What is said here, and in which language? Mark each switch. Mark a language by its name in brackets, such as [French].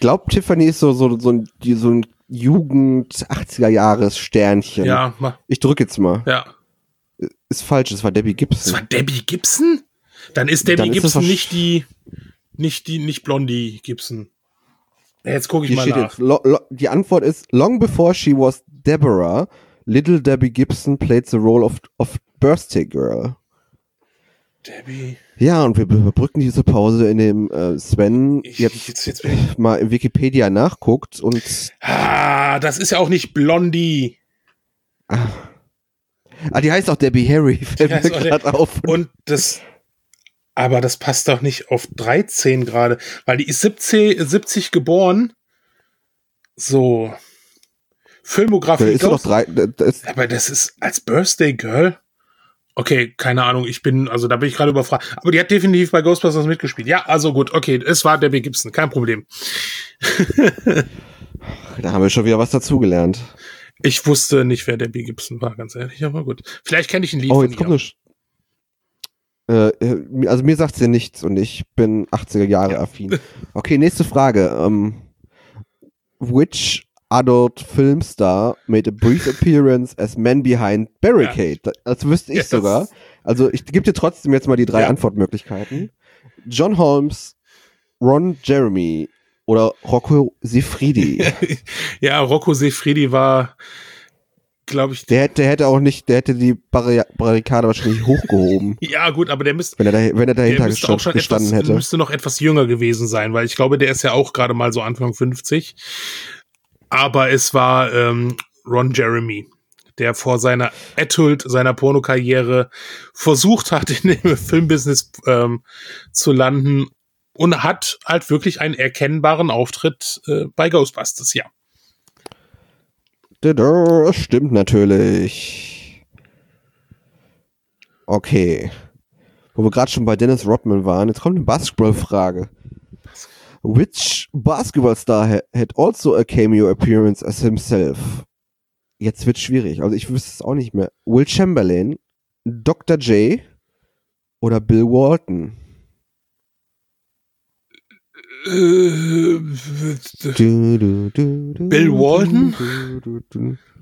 [German] glaube, Tiffany ist so ein Jugend-80er-Jahres-Sternchen. Ja, ich drücke jetzt mal. Ja. Ist falsch, es war Debbie Gibson. Es war Debbie Gibson? Dann ist Debbie Dann Gibson ist nicht die... Nicht Blondie Gibson. Jetzt gucke ich hier mal nach. Die Antwort ist, [English] long before she was Deborah, little Debbie Gibson played the role of Birthday Girl. [German] Debbie. Ja, und wir überbrücken diese Pause, in dem Sven jetzt mal in Wikipedia nachguckt. Und das ist ja auch nicht Blondie. Ah, die heißt auch Debbie Harry. Aber das passt doch nicht auf 13 gerade, weil die ist 70 geboren. So. Filmografie. Ist doch drei, aber das ist als Birthday Girl. Okay, keine Ahnung. Da bin ich gerade überfragt. Aber die hat definitiv bei Ghostbusters mitgespielt. Ja, also gut. Okay, es war Debbie Gibson. Kein Problem. Da haben wir schon wieder was dazugelernt. Ich wusste nicht, wer Debbie Gibson war, ganz ehrlich. Aber gut. Vielleicht kenne ich ein Lied. Oh, jetzt kommt eine. Also mir sagt sie nichts und ich bin 80er Jahre affin. Okay, nächste Frage. [English] Which adult filmstar made a brief appearance as Man Behind Barricade? [German] Ja. Das wüsste ich sogar. Also ich gebe dir trotzdem jetzt mal die drei Antwortmöglichkeiten. John Holmes, Ron Jeremy oder Rocco Siffredi. Ja, Rocco Siffredi war... glaube ich. Der hätte die Barrikade wahrscheinlich hochgehoben. Ja, gut, aber der müsste. Wenn er dahinter gestanden hätte. Der müsste noch etwas jünger gewesen sein, weil ich glaube, der ist ja auch gerade mal so Anfang 50. Aber es war Ron Jeremy, der vor seiner Pornokarriere versucht hat, in dem Filmbusiness zu landen und hat halt wirklich einen erkennbaren Auftritt bei Ghostbusters, ja. Das stimmt natürlich. Okay. Wo wir gerade schon bei Dennis Rodman waren, jetzt kommt eine Basketball-Frage. [English] Which Basketball-Star had also a cameo appearance as himself? [German] Jetzt wird's schwierig. Also ich wüsste es auch nicht mehr. Will Chamberlain, Dr. J oder Bill Walton? Bill Walton?